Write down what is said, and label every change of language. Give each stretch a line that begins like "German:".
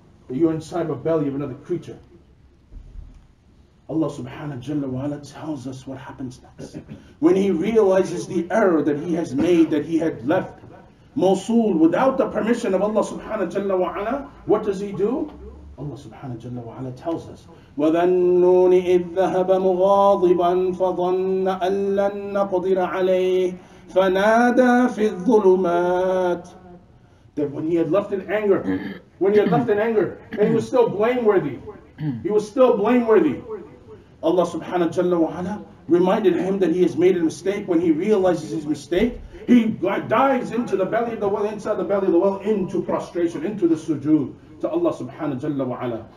English: You're inside the belly of another creature. Allah subhanahu jalla wa ala tells us what happens next. When he realizes the error that he has made, that he had left Mosul without the permission of Allah subhanahu jalla wa ala, what does he do? Allah subhanahu jalla wa ala tells us,
Arabic: وَذَا النُّونِ إِذْ ذَهَبَ مُغَاضِبًا فَظَنَّ أَنْ لَنْ نَقْدِرَ عَلَيْهِ فَنَادَى فِي الظُّلُمَاتِ.
English: That when he had left in anger, when he had left in anger, and he was still blameworthy, he was still blameworthy. Allah subhanahu wa jalla wa ala reminded him that he has made a mistake. When he realizes his mistake, he dives into the belly of the well, inside the belly of the well, into prostration, into the sujood to Allah subhanahu wa jalla wa ala.